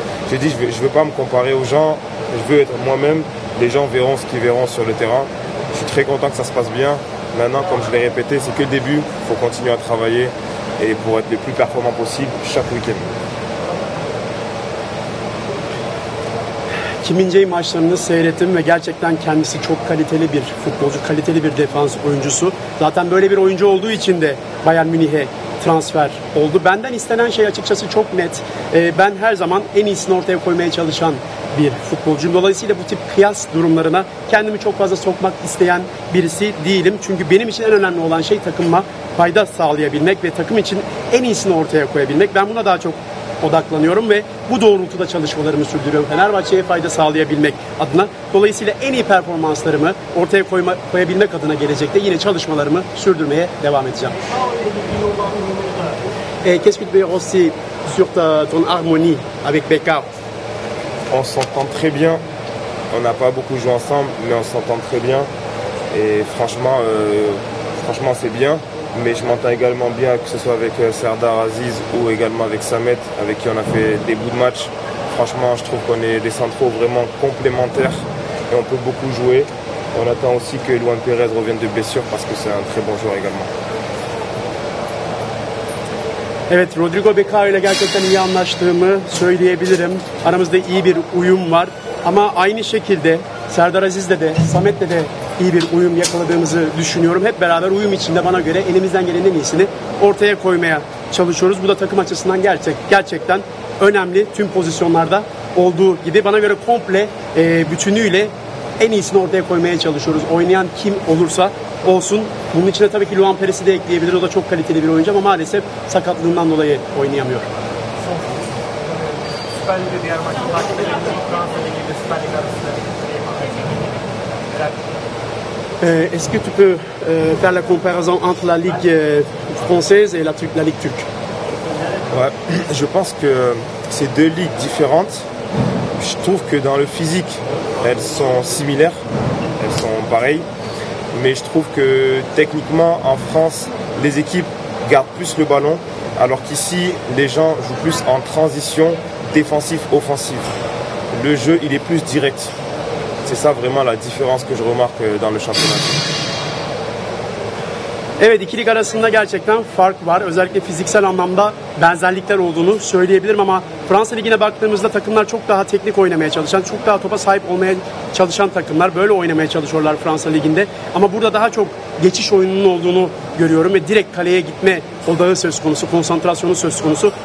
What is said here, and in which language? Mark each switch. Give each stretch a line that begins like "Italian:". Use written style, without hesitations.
French: J'ai dit je ne veux pas me comparer aux gens, je veux être moi-même. Les gens verront ce qu'ils verront sur le terrain. Je suis très content que ça se passe bien. Maintenant, comme je l'ai répété, c'est que le début, il faut continuer à travailler et pour être le plus performant possible chaque week-end.
Turkish: Kim Min-jae maçlarını seyrettim ve gerçekten kendisi çok kaliteli bir futbolcu, kaliteli bir defans oyuncusu. Zaten böyle bir oyuncu olduğu için de Bayern Münih'e transfer oldu. Benden istenen şey açıkçası çok net. Ben her zaman en iyisini ortaya koymaya çalışan bir futbolcuyum. Dolayısıyla bu tip kıyas durumlarına kendimi çok fazla sokmak isteyen birisi değilim. Çünkü benim için en önemli olan şey takıma fayda sağlayabilmek ve takım için en iyisini ortaya koyabilmek. Ben buna daha çok odaklanıyorum ve bu doğrultuda çalışmalarımı sürdürüyorum. Fenerbahçe'ye fayda sağlayabilmek adına. Dolayısıyla en iyi performanslarımı ortaya koyabilmek adına gelecekte yine çalışmalarımı sürdürmeye devam edeceğim.
French: Qu'est-ce que tu veux aussi sur ton harmonie avec Becker? On s'entend très bien. On n'a pas beaucoup joué ensemble, mais on s'entend très bien. Et franchement, c'est bien. Mais je m'entends également bien, que ce soit avec Serdar Aziz ou également avec Samet, avec qui on a fait des bouts de match. Franchement, je trouve qu'on est des centraux vraiment complémentaires et on peut beaucoup jouer. On attend aussi que Luan Perez revienne de blessure parce que c'est un très bon joueur également.
Turkish: Evet, Rodrigo Becao ile gerçekten iyi anlaştığımı söyleyebilirim. Aramızda iyi bir uyum var. Ama aynı şekilde Serdar Aziz'le de Samet'le de iyi bir uyum yakaladığımızı düşünüyorum. Hep beraber uyum içinde bana göre elimizden gelen en iyisini ortaya koymaya çalışıyoruz. Bu da takım açısından gerçekten önemli. Tüm pozisyonlarda olduğu gibi bana göre komple bütünüyle en iyisini ortaya koymaya çalışıyoruz. Oynayan kim olursa olsun. Bunun içine tabii ki Luan Perez'i de ekleyebilir. O da çok kaliteli bir oyuncu ama maalesef sakatlığından dolayı oynayamıyor. Süper Lig'de diğer maçı takip edelim. Fransa Ligi'de Süper Lig arasında.
French: Est-ce que tu peux faire la comparaison entre la Ligue française et la Ligue turque? Ouais, je pense que c'est deux ligues différentes. Je trouve que dans le physique, elles sont similaires, elles sont pareilles. Mais je trouve que techniquement, en France, les équipes gardent plus le ballon, alors qu'ici, les gens jouent plus en transition défensif-offensif. Le jeu, il est plus direct. C'est ça vraiment la différence que je remarque dans le championnat.
Turkish: Evet, iki lig arasında gerçekten fark var. Özellikle fiziksel anlamda benzerlikler olduğunu söyleyebilirim ama Fransa Ligi'ne baktığımızda takımlar çok daha teknik oynamaya çalışan, çok daha topa sahip olmaya çalışan takımlar. Böyle oynamaya çalışıyorlar Fransa Ligi'nde. Ama burada daha çok geçiş oyununun olduğunu görüyorum ve direkt kaleye gitme odağı söz konusu, konsantrasyonu söz konusu.